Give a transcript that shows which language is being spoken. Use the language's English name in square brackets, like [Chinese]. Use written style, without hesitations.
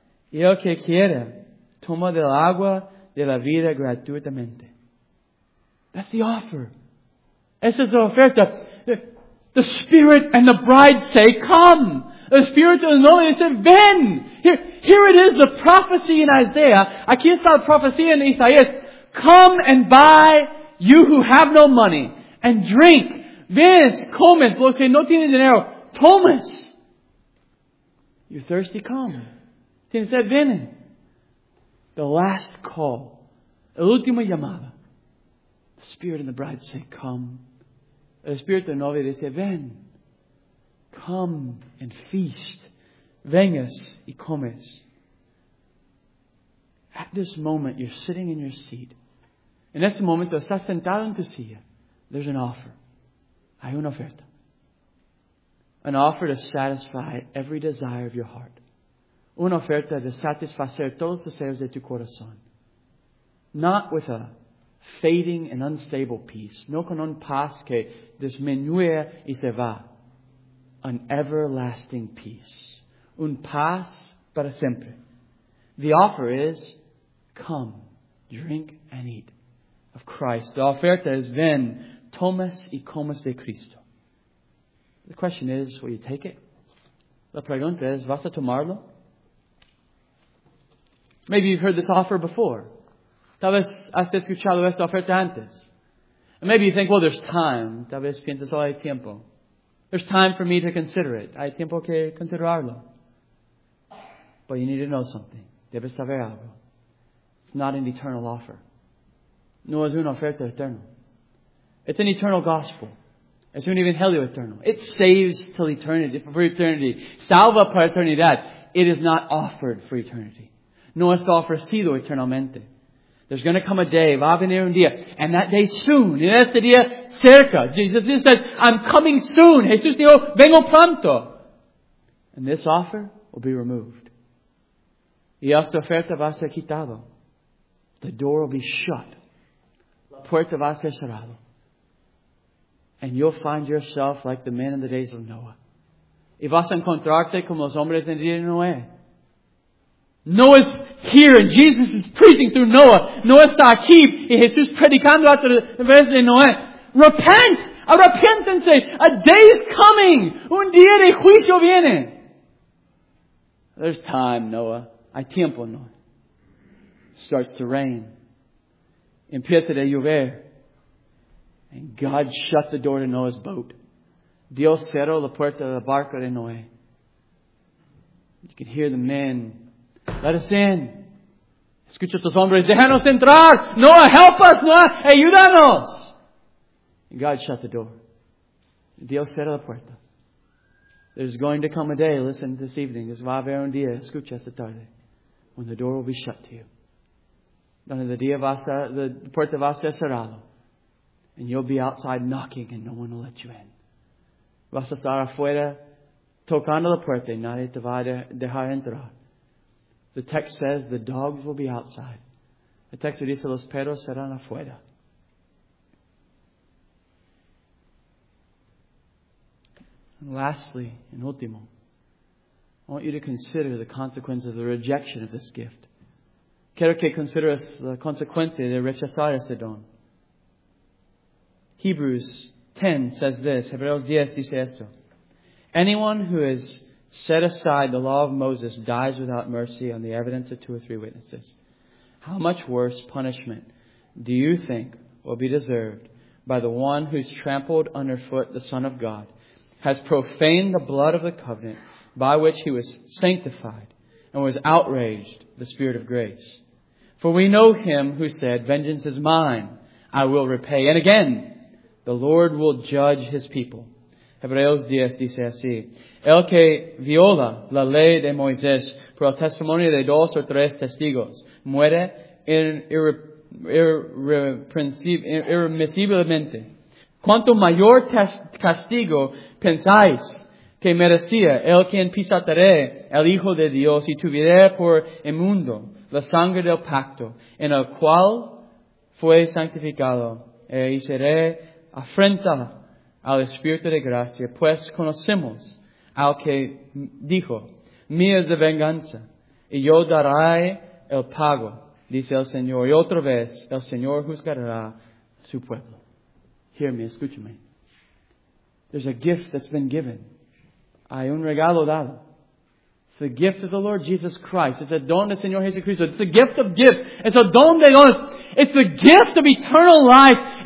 [Spanish] Y el que quiera, toma del agua de la vida gratuitamente. [English] That's the offer. [Spanish] Esa es la oferta. [English] The Spirit and the Bride say, come. The Spirit and the Lord say, ven. Here it is, the prophecy in Isaiah. [Spanish] Aquí está la profecía en Isaías. [English] Come and buy, you who have no money, and drink. [Spanish] Ven, comes, los que no tienen dinero. [English] Thomas. You're thirsty, come. [Spanish] Tienes sed, viene. [English] The last call. [Spanish] El último llamado. [English] The Spirit and the Bride say, come. [Spanish] El Espíritu de Novia dice, ven. [English] Come and feast. [Spanish] vengas y comes. [English] At this moment, you're sitting in your seat. [Spanish] En este momento, estás sentado en tu silla. [English] There's an offer. [Spanish] Hay una oferta. [English] An offer to satisfy every desire of your heart. [Spanish] Una oferta de satisfacer todos los deseos de tu corazón. [English] Not with a fading and unstable peace. [Spanish] No con un paz que disminuye y se va. [English] An everlasting peace. [Spanish] Un paz para siempre. [English] The offer is, come, drink and eat of Christ. [Spanish] La oferta es, ven, tomas y comas de Cristo. [English] The question is, will you take it? [Spanish] La pregunta es, ¿vas a tomarlo? [English] Maybe you've heard this offer before. [Spanish] Tal vez has escuchado esta oferta antes. [English] And maybe you think, well, there's time. [Spanish] Tal vez piensas, oh, hay tiempo. [English] There's time for me to consider it. [Spanish] Hay tiempo que considerarlo. [English] But you need to know something. [Spanish] Debes saber algo. [English] It's not an eternal offer. [Spanish] No es una oferta eterna. [English] It's an eternal gospel. [Spanish] Es un evangelio eterno. [English] It saves till eternity, for eternity. [Spanish] Salva para eternidad. [English] It is not offered for eternity. [Spanish] No es ofrecido eternamente. [English] There's going to come a day, [Spanish] va a venir un día, [English] and that day soon, [Spanish] en este día cerca. [English] Jesus said, I'm coming soon. [Spanish] Jesús dijo, vengo pronto. [English] And this offer will be removed. [Spanish] Y esta oferta va a ser quitado. [English] The door will be shut. [Spanish] La puerta va a ser cerrado. [English] And you'll find yourself like the men in the days of Noah. [Spanish] Y vas a encontrarte como los hombres en el día de Noé. [English] Noah's here and Jesus is preaching through Noah. [Spanish] Noah está aquí y Jesús predicando a través de Noé. [English] Repent! [Spanish] Arrepiéntense! [English] A day is coming! [Spanish] Un día de juicio viene! [English] There's time, Noah. [Spanish] Hay tiempo, Noah. [English] It starts to rain. [Spanish] Empieza de llover. [English] And God shut the door to Noah's boat. [Spanish] Dios cerró la puerta de la barca de Noé. [English] You can hear the men. Let us in. [Spanish] Escucha a estos hombres. Déjanos entrar. [English] Noah, help us. [Spanish] Noah, ayúdanos. [English] And God shut the door. [Spanish] Dios cerró la puerta. [English] There's going to come a day. Listen this evening. [Spanish] Es va a haber un día. Escucha esta tarde. [English] When the door will be shut to you. [Spanish] Donde el día va a ser, the puerta va a ser cerrado. [English] And you'll be outside knocking and no one will let you in. [Spanish] Vas a estar afuera tocando la puerta y nadie te va a dejar entrar. [English] The text says the dogs will be outside. [Spanish] The text dice los perros serán afuera. [English] And lastly, and último, I want you to consider the consequence of the rejection of this gift. [Spanish] Quiero que consideres la consecuencia de rechazar este don. [English] Hebrews 10 says this. [Spanish] Hebreos 10 dice esto. [English] Anyone who has set aside the law of Moses dies without mercy on the evidence of two or three witnesses. How much worse punishment do you think will be deserved by the one who's trampled underfoot the Son of God, has profaned the blood of the covenant by which he was sanctified, and was outraged the Spirit of grace? For we know him who said, vengeance is mine, I will repay. And again, the Lord will judge his people. [Spanish] Hebreos 10 dice así. El que viola la ley de Moisés por el testimonio de dos o tres testigos muere irremisiblemente. ¿Cuánto mayor castigo pensáis que merecía el quien pisotearé el Hijo de Dios y tuviera por inmundo la sangre del pacto en el cual fue santificado e hiciera afrenta al Espíritu de gracia? Pues conocemos al que dijo, mía es la venganza, y yo daré el pago, dice el Señor. Y otra vez, el Señor juzgará su pueblo. [English] Hear me, [Spanish] escúchame. [English] There's a gift that's been given. [Spanish] Hay un regalo dado. [English] It's the gift of the Lord Jesus Christ. It's the [Spanish] don del Señor Jesucristo. [English] It's the gift of gifts. It's the [Spanish] don de dones. [English] It's the gift of eternal life.